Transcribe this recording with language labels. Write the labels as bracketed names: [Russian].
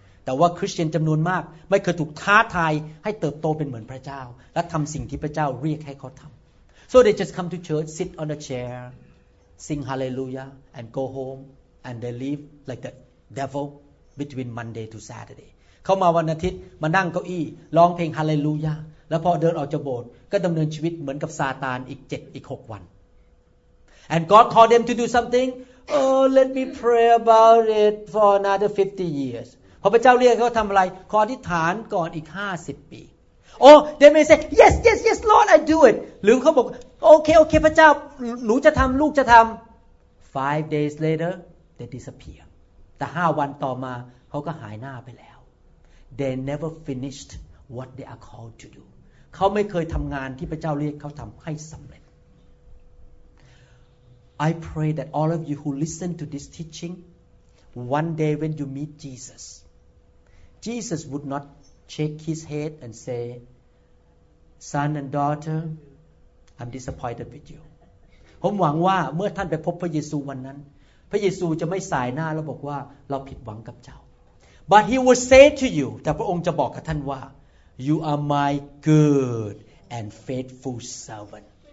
[Thai] แต่ว่าคริสเตียนจำนวนมากไม่เคยถูกท้าทายให้เติบโตเป็นเหมือนพระเจ้าและทำสิ่งที่พระเจ้าเรียกให้เขาทำ [English] so they just come to church sit on a chair sing hallelujah and go home and they leave like the devil between Monday to Saturday [Thai] เขามาวันอาทิตย์มานั่งเก้าอี้ร้องเพลงฮาเลลูยาแล้วพอเดินออกจากโบสถ์ก็ดำเนินชีวิตเหมือนกับซาตานอีก7อีก6วัน [English] and God called them to do somethingOh, let me pray about it for another 50 years. [Thai] พอพระเจ้าเรียกเขาทำอะไรขออธิษฐานก่อนอีก50ปี [English] Oh, they may say, yes, yes, yes, Lord, I do it. [Thai] หรือเขาบอก okay, okay, พระเจ้าหนูจะทำลูกจะทำ [English] 5 days later, they disappear. [Thai] แต่5วันต่อมาเขาก็หายหน้าไปแล้ว [English] They never finished what they are called to do. [Thai] เขาไม่เคยทำงานที่พระเจ้าเรียกเขาทำให้สำเร็จ [English] I pray that all of you who listen to this teaching, one day when you meet Jesus, Jesus would not shake his head and say, "Son and daughter, I'm disappointed with you." [Thai] ผมหวังว่าเมื่อท่านไปพบพระเยซูวันนั้นพระเยซูจะไม่สายหน้าแล้วบอกว่าเราผิดหวังกับเจ้า [English] But he would say to you, [Thai] แต่พระองค์จะบอกกับท่านว่า [English] "You are my good and faithful servant."